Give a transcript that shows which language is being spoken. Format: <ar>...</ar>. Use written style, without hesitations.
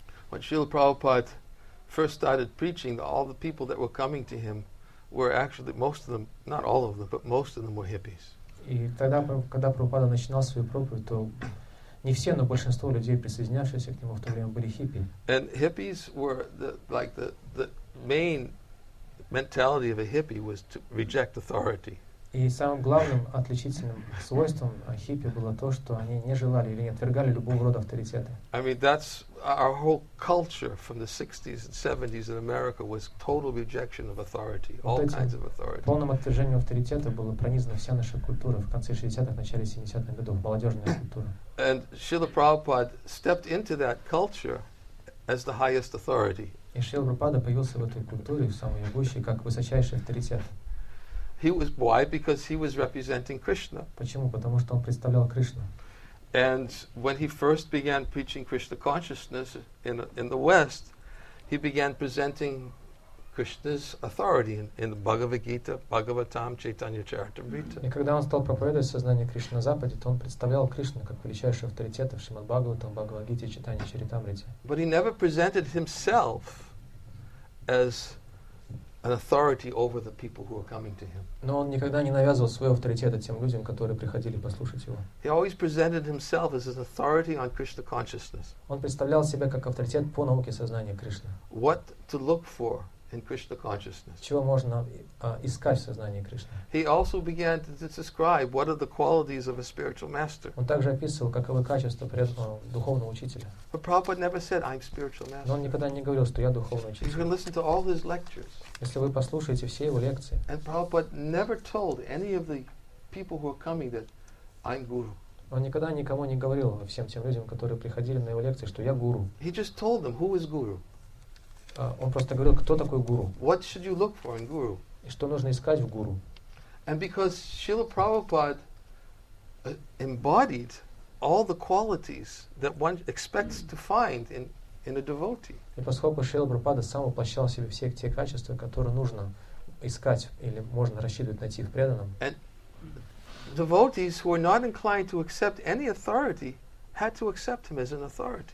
<en>When Srila Prabhupada first started preaching, all the people that were coming to him were actually, most of them, not all of them, but most of them were hippies.</en> <ru>И тогда, когда Прабхупада начинал свою проповедь, то не все, но большинство людей, присоединявшихся к нему в то время, были хиппи.</ru> <en>And hippies were the main mentality of a hippie was to reject authority.</en> <ru>И самым главным отличительным свойством хиппи было то, что они не желали или не отвергали любого рода авторитета.</ru> <en>I mean, that's our whole culture from the 60s and 70s in America was total rejection of authority, all kinds of authority.</en> <ru>Полным отвержением авторитета была пронизана вся наша культура в конце 60-х, начале 70-х годов, молодежная культура.</ru> <en>And Srila Prabhupada stepped into that culture as the highest authority.</en> <ru>И Шрила Прабхупада появился в этой культуре, в самой гуще, как высочайший авторитет.</ru> <en>Why? Because he was representing Krishna.</en> <ru>Почему? Потому что он представлял Кришну.</ru> <en>And when he first began preaching Krishna consciousness in the West, he began presenting Krishna's authority in the Bhagavad Gita, Bhagavatam, Chaitanya Charitamrita.</en> <ru>И когда он стал проповедовать сознание Кришны на Западе, то он представлял Кришну как величайшего авторитета в Шримад Бхагаватам, Бхагавад Гите, Чайтанья Чаритамрите.</ru> <en>But he never presented himself as an authority over the people who are coming to him.</en> <ru>Но он никогда не навязывал свой авторитет тем людям, которые приходили послушать его.</ru> <en>He always presented himself as an authority on Krishna consciousness.</en> <ru>Он представлял себя как авторитет по науке сознания Кришны.</ru> <en>What to look for in Krishna consciousness?</en> <ru>Чего можно искать в сознании Кришны?</ru> <en>He also began to describe what are the qualities of a spiritual master.</en> <ru>Он также описывал, каковы качества преданного духовного учителя.</ru> <en>But Prabhupada never said I'm spiritual master.</en> <ru>Но он никогда не говорил, что я духовный учитель.</ru> <en>You can listen to all his lectures.</en> <ru>Если вы послушаете все его лекции.</ru> <en>And Prabhupada never told any of the people who are coming that I'm guru.</en> <ru>Он никогда никому не говорил, всем тем людям, которые приходили на его лекции, что я гуру.</ru> <en>He just told them who is guru.</en> <ru>Он просто говорил, кто такой гуру.</ru> <en>What should you look for in guru?</en> <ru>И что нужно искать в гуру.</ru> <en>And because Srila Prabhupada embodied all the qualities that one expects to find in a devotee.</en> <ru>И поскольку Шрила Прабхупада сам воплощал в себе все те качества, которые нужно искать или можно рассчитывать найти в преданном.</ru> <en>And devotees who are not inclined to accept any authority had to accept him as an authority.</en>